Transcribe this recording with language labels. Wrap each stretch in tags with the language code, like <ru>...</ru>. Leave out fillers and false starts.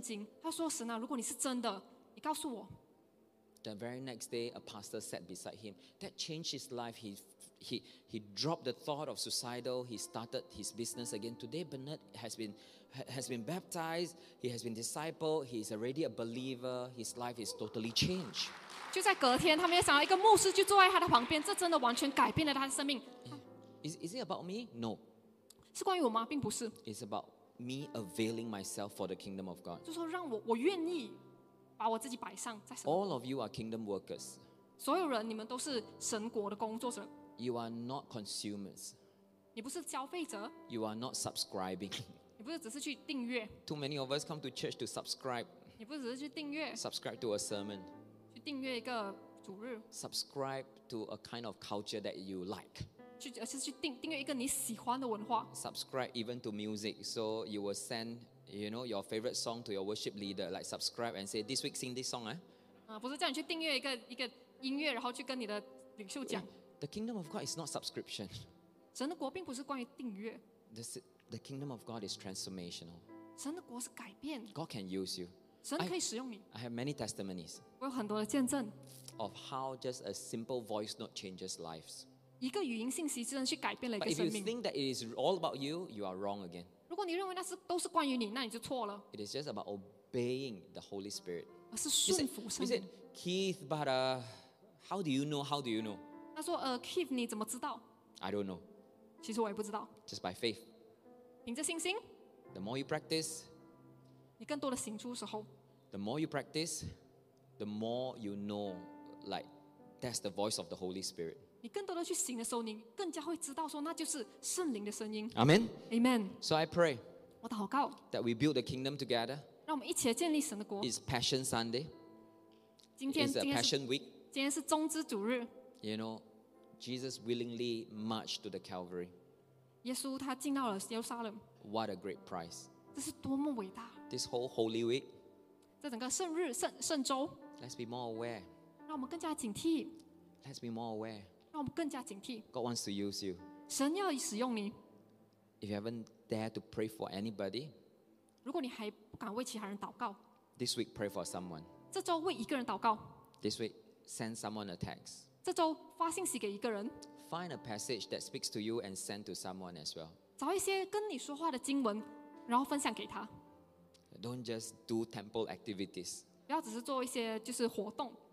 <zh>当时其实他正在酗酒，为这心情不好酗酒，但是他看到一本圣经，他说神啊，如果你是真的，你告诉我。</zh> <en>The very next day, a pastor sat beside him. That changed his life. He dropped the thought of suicidal. He started his business again. Today, Bernard has been baptized. He has been discipled. He is already a believer. His life is totally changed.</en> <zh>就在隔天，他们也想到一个牧师就坐在他的旁边，这真的完全改变了他的生命。</zh> <en>Is it about me? No.</en> <zh>是关于我吗？并不是。</zh> <en>It's about me availing myself for the kingdom of God.</en> <zh>就说让我愿意。把我自己摆上在神。</zh> <en>All of you are kingdom workers.</en> <zh>所有人，你们都是神国的工作者。</zh> <en>You are not consumers.</en> <zh>你不是消费者。</zh> <en>You are not subscribing.</en> <zh>你不是只是去订阅。</zh> <en>Too many of us come to church to subscribe.</en> <zh>你不是只是去订阅。</zh> <en>Subscribe to a sermon.</en> <zh>去订阅一个主日。</zh> <en>Subscribe to a kind of culture that you like. Subscribe even to music. So you will send, you know, your favorite song to your worship leader, like subscribe and say, this week sing this song.</en> <zh>不是叫你去订阅一个音乐，然后去跟你的领袖讲。</zh> <en>The kingdom of God is not subscription.</en> <zh>神的国并不是关于订阅。</zh> <en>The kingdom of God is transformational.</en> <zh>神的国是改变。</zh> <en>God can use you.</en> <zh>神可以使用你。</zh> <en>I have many testimonies.</en> <zh>我有很多的见证。</zh> <en>Of how just a simple voice note changes lives.</en> <zh>一个语音信息真的去改变了一个生命。</zh> <en>But if you think that it is all about you, you are wrong again.</en> <zh>如果你认为那是都是关于你，那你就错了。</zh> <en>It is just about obeying the Holy Spirit.</en> <zh>而是顺服圣灵。</zh> <en>You said, Keith, but how do you know? How do you know?</en> <zh>他说Keith, 你怎么知道？</zh> <en>I don't know.</en> <zh>其实我也不知道。</zh> <en>Just by faith.</en> <zh>凭着信心。</zh> <en>The more you practice,</en> <zh>你更多的行出时候。</zh> <en>The more you practice, the more you know, like that's the voice of the Holy Spirit.</en> <zh>你更多的去行的时候，你更加会知道说那就是圣灵的声音。</zh> <en>Amen. Amen. So I pray.</en> <zh>我祷告。</zh> <en>That we build the kingdom together.</en> <zh>让我们一起来建立神的国。</zh> <en>It's Passion Sunday.</en> <zh>今天</zh> <en>is a Passion Week.</en> <zh>今天是中之主日。</zh> <en>You know, Jesus willingly marched to the Calvary.</en> <zh>耶稣他进到了耶路撒冷。</zh> <en>What a great price!</en> <zh>这是多么伟大。</zh> <en>This whole Holy Week.</en> <zh>这整个圣日圣周。</zh> <en>Let's be more aware.</en> <zh>让我们更加警惕。</zh> <en>Let's be more aware.</en> <zh>让我们更加警惕。</zh> <en>God wants to use you.</en> <zh>神要使用你。</zh> <en>If you haven't dared to pray for anybody,</en> <zh>如果你还不敢为其他人祷告，</zh> <en>this week pray for someone.</en> <zh>这周为一个人祷告。</zh> <en>This week send someone a text.</en> <zh>这周发信息给一个人。</zh> <en>Find a passage that speaks to you and send to someone as well.</en> <zh>找一些跟你说话的经文，然后分享给他。</zh> <en>Don't just do temple activities.</en> <zh>不要只是做一些就是活动。</zh>